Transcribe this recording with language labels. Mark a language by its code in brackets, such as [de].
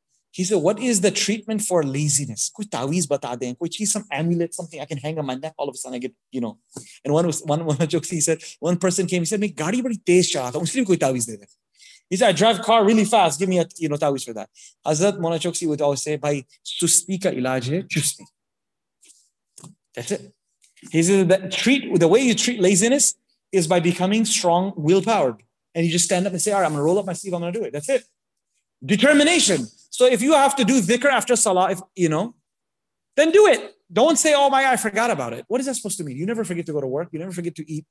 [en] He said, what is the treatment for laziness? [ur] Koi taweez bata dein, koi cheez, [en] some amulet, something I can hang on my neck. All of a sudden I get, you know. And one person came, he said, [ur] me gaadi badi tez chala tha, usliye koi taweez de de. [en] He said, I drive car really fast. Give me a, you know, taweez for that. [ur] حضرت مونا چوکسی [en] would always say, [ur] بھائی، سستی کا علاج ہے، چستی۔ [en] That's it. He said, the way you treat laziness is by becoming strong, willpowered. And you just stand up and say, all right, I'm going to roll up my sleeve. I'm going to do it. That's it. Determination. So if you have to do dhikr after salah, if you know, then do it. Don't say, oh my God, I forgot about it. What is that supposed to mean? You never forget to go to work. You never forget to eat.